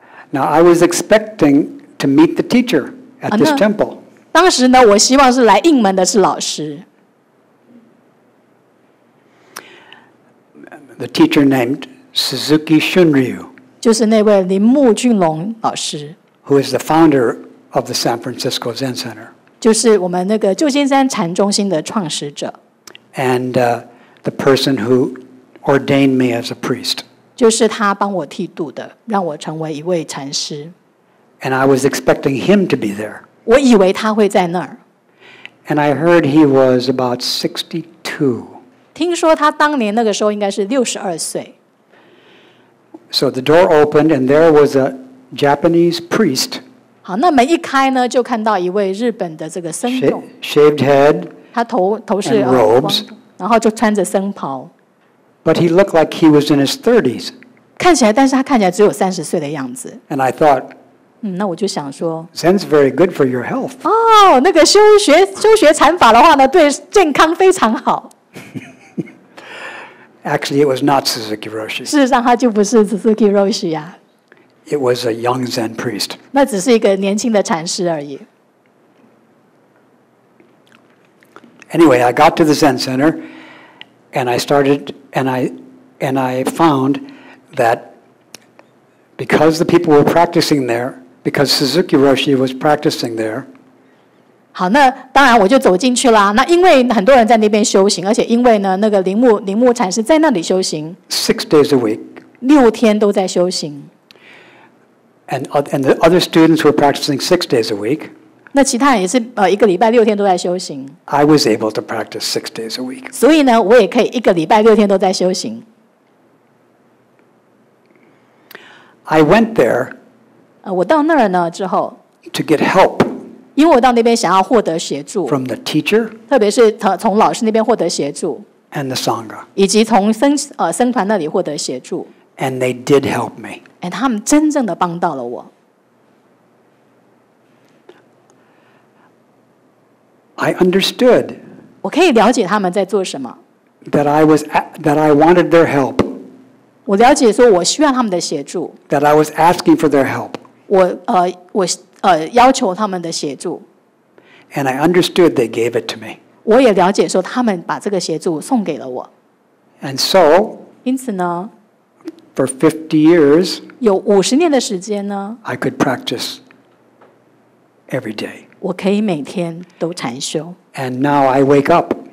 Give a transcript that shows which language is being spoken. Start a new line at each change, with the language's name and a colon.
English: Now I was expecting to meet the teacher at this temple。
Chinese: 当时呢，我希望是来应门的是老师。
English: The teacher named Suzuki Shunryu，
Chinese: 就是那位铃木俊龙老师
English: ，who is the founder of the San Francisco Zen Center，
Chinese: 就是我们那个旧金山禅中心的创始者
English: ，and the person who ordained me as a priest，
Chinese: 就是他帮我剃度的，让我成为一位禅师
English: ，and I was expecting him to be there，
Chinese: 我以为他会在那儿
English: ，and I heard he was about 62，
Chinese: 听说他当年那个时候应该是62岁。
English: So the door opened, and there was a Japanese priest.
Chinese: 好，那门一开呢，就看到一位日本的这个僧众。
English: Shaved head.
Chinese: 他头是
English: robes，
Chinese: 然后就穿着僧袍。
English: But he looked like he was in his 30s.
Chinese: 看起来，但是他看起来只有30岁的样子。
English: And I thought.
Chinese: 嗯，那我就想说。
English: Zen's very good for your health.
Chinese: 哦，那个修学禅法的话呢，对健康非常好。
English: Actually, it was not Suzuki Roshi.
Chinese: 事实上，他就不是 Suzuki Roshi 呀。
English: It was a young Zen priest.
Chinese: 那只是一个年轻的禅师而已。
English: Anyway, I got to the Zen Center, and I started, and I found that because the people were practicing there, because Suzuki Roshi was practicing there.
Chinese: 好，那当然我就走进去啦。那因为很多人在那边修行，而且因为呢，那个铃木禅师在那里修行。
English: Six days a week.
Chinese: 六天都在修行。
English: And the other students were practicing 6 days a week.
Chinese: 那其他人也是一个礼拜六天都在修行。
English: I was able to practice 6 days a week.
Chinese: 所以呢，我也可以一个礼拜六天都在修行。
English: I went there.
Chinese: 我到那儿呢之后。
English: To get help.
Chinese: 因为我到那边想要获得协助。
English: From the teacher.
Chinese: 特别是从老师那边获得协助。
English: And the sangha.
Chinese: 以及从僧团那里获得协助。
English: And they did help me.
Chinese: And 他们真正的帮到了我。
English: I understood.
Chinese: 我可以了解他们在做什么。
English: That I wanted their help.
Chinese: 我了解说我需要他们的协助。
English: That I was asking for their help.
Chinese: 我要求他们的协助。
English: And I understood they gave it to me.
Chinese: 我也了解说他们把这个协助送给了我。
English: And so.
Chinese: 因此呢。
English: For 50 years,
Chinese: 有五十年的时间呢。
English: I could practice every day.
Chinese: 我可以每天都禅修。
English: And now I wake up.